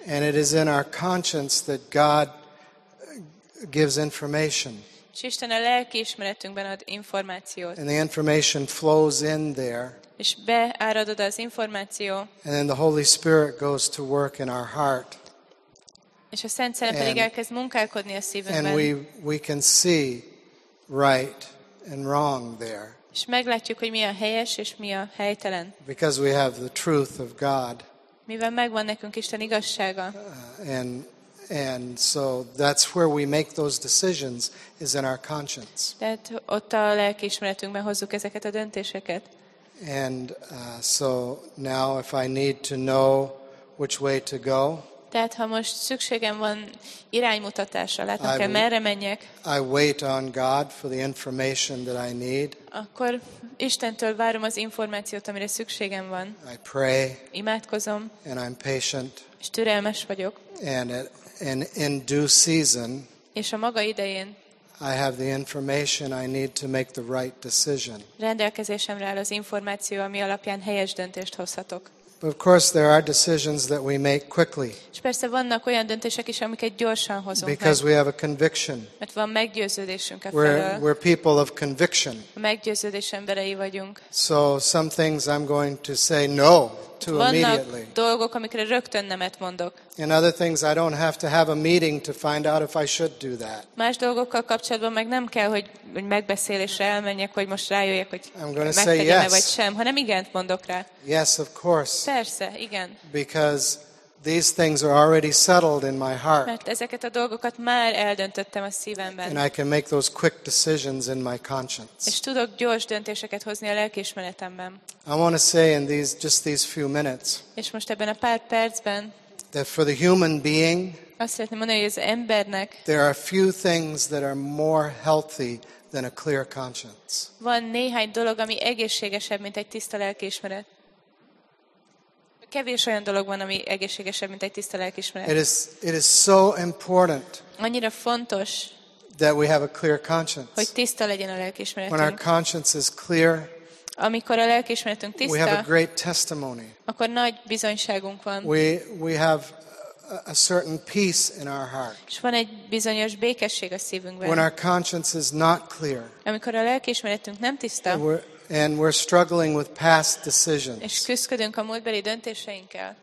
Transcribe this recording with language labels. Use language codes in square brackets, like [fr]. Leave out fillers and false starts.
[en] And it is in our conscience that God gives information. [hu] És Isten a lelkiismeretünkben ad információt. [en] And the information flows in there. [hu] És beárad oda az információ. [en] And then the Holy Spirit goes to work in our heart. [hu] És a Szent Szellem pedig elkezd munkálkodni a szívünkben. [en] And we can see right and wrong there. [hu] És meglátjuk, hogy mi a helyes és mi a helytelen. [en] Because we have the truth of God. [hu] Mivel megvan nekünk Isten igazsága. [en] And so that's where we make those decisions is in our conscience. [hu] De ott a lelkiismeretünkben hozzuk ezeket a döntéseket. [en] And so now if I need to know which way to go, [hu] tehát ha most szükségem van iránymutatásra, látnom kell, merre menjek, [en] I wait on God for the information that I need. [hu] Akkor Istentől várom az információt, amire szükségem van. [en] I pray. [hu] Imádkozom. [en] And I'm patient. [hu] És türelmes vagyok. [en] And in due season, [hu] és a maga idején, [en] I have the information I need to make the right decision. [hu] Rendelkezésemre áll az információ, ami alapján helyes döntést hozhatok. [en] But of course, there are decisions that we make quickly. [hu] És persze vannak olyan döntések is, amiket gyorsan hozunk. [en] Because we have a conviction. [hu] Mert van meggyőződésünk. [en] We're people of conviction. [hu] Meggyőződés emberei vagyunk. [en] So some things I'm going to say no to immediately. [hu] Vannak dolgok, amikre rögtön nemet mondok. [en] And other things I don't have to have a meeting to find out if I should do that. [hu] Más dolgokkal kapcsolatban meg nem kell, hogy megbeszélésre elmenjek, hogy most rájöjjek, hogy megtegyem-e vagy sem, hanem igent mondok rá. [en] Yes, of course. [hu] Persze, igen. [en] Because these things are already settled in my heart. [hu] Mert ezeket a dolgokat már eldöntöttem a szívemben. [en] And I can make those quick decisions in my conscience. [hu] És tudok gyors döntéseket hozni a lelkiismeretemben. [en] I want to say in just these few minutes. [hu] És most ebben a pár percben. [en] That for the human being, [hu] azt szeretném mondani, hogy az embernek, [en] there are few things that are more healthy than a clear conscience. [hu] Van néhány dolog, ami egészségesebb, mint egy tiszta lelkiismeret. Kevés olyan dolog van, ami egészségesebb, mint egy tiszta lelkiismeret. [en] It is so important. [hu] Annyira fontos, [en] that we have a clear conscience. [hu] Hogy tiszta legyen a lelkiismeretünk. [en] When our conscience is clear, [hu] amikor a lelkiismeretünk tiszta, [en] we have a great testimony. [hu] Akkor nagy bizonyságunk van. [en] We have a certain peace in our heart. [hu] És van egy bizonyos békesség a szívünkben. [en] When our conscience is not clear, [hu] amikor a lelkiismeretünk nem tiszta, [en] and we're struggling with past decisions, [hu] és küzdködünk a múltbeli döntéseinkkel,